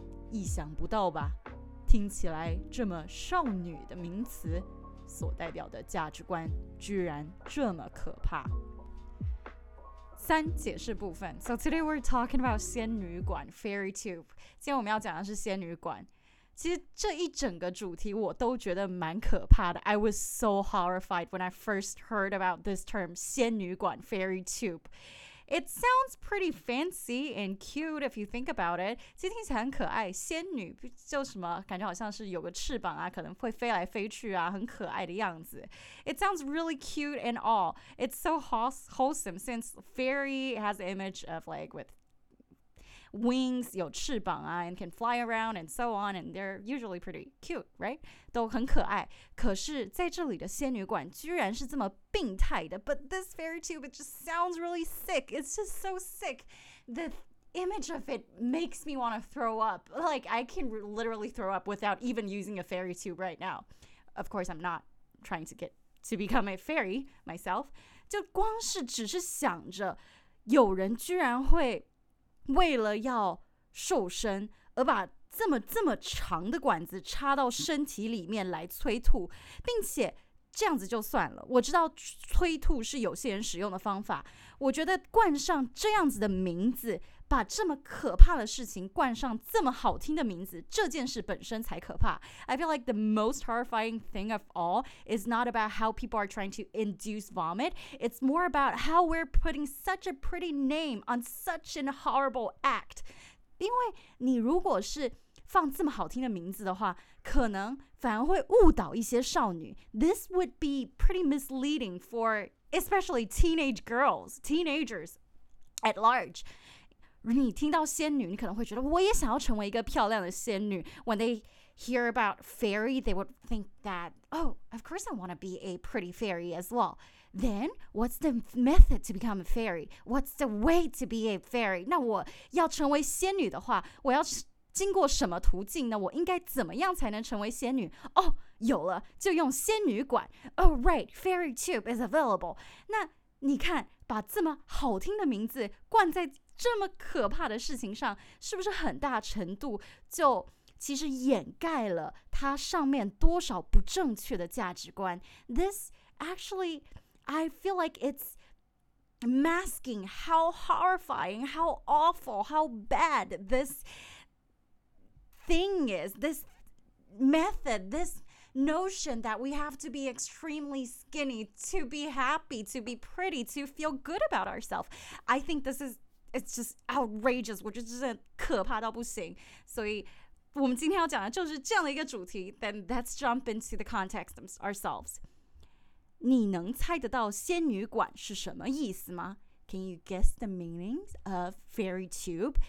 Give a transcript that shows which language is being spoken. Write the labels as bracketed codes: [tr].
[zh] 意想不到吧?听起来这么少女的名词, 所代表的价值观居然这么可怕。三解释部分, [en] so today we're talking about 仙女馆, fairy tube. [zh] 今天我们要讲的是仙女馆。其实这一整个主题我都觉得蛮可怕的。 [en] I was so horrified when I first heard about this term, 仙女馆, fairy tube. It sounds pretty fancy and cute if you think about it. [zh] 其实听起来很可爱, 仙女就什么, 感觉好像是有个翅膀啊, 可能会飞来飞去啊, 很可爱的样子。 [en] It sounds really cute and all. It's so wholesome since fairy has an image of like with wings, [zh] 有翅膀啊, [en] and can fly around and so on, and they're usually pretty cute, right? [zh] 都很可爱, 可是在这里的仙女馆居然是这么病态的, [en] but this fairy tube, it just sounds really sick. It's just so sick. The image of it makes me want to throw up. Like, I can literally throw up without even using a fairy tube right now. Of course, I'm not trying to get to become a fairy myself. [zh] 就光是只是想着有人居然会 为了要瘦身, 而把这么长的管子插到身体里面来催吐, 并且这样子就算了, 我知道催吐是有些人使用的方法, 我觉得冠上这样子的名字, 把这么可怕的事情冠上这么好听的名字, 这件事本身才可怕。 [en] I feel like the most horrifying thing of all is not about how people are trying to induce vomit. It's more about how we're putting such a pretty name on such an horrible act. [zh] 因为你如果是放这么好听的名字的话, 可能反而会误导一些少女。 [en] This would be pretty misleading for especially teenage girls, teenagers at large. [zh] 你听到仙女, 你可能会觉得, 我也想要成为一个漂亮的仙女。 [en] When they hear about fairy, they would think that, oh, of course I want to be a pretty fairy as well. Then, what's the method to become a fairy? What's the way to be a fairy? [zh] 那我要成为仙女的话, 我要经过什么途径呢? 我应该怎么样才能成为仙女? [en] Oh, [zh] 有了, 就用仙女馆。 [en] Oh, right, fairy tube is available. [zh] 那你看, 把这么好听的名字灌在 这么可怕的事情上，是不是很大程度就其实掩盖了它上面多少不正确的价值观？ [en] This actually, I feel like it's masking how horrifying, how awful, how bad this thing is, this method, this notion that we have to be extremely skinny to be happy, to be pretty, to feel good about ourselves. I think this is it's just outrageous, [zh] 我觉得真的可怕到不行。所以我们今天要讲的就是这样的一个主题。 [en] Then let's jump into the context ourselves. [zh] 你能猜得到仙女馆是什么意思吗? [en] Can you guess the meaning of fairy tube?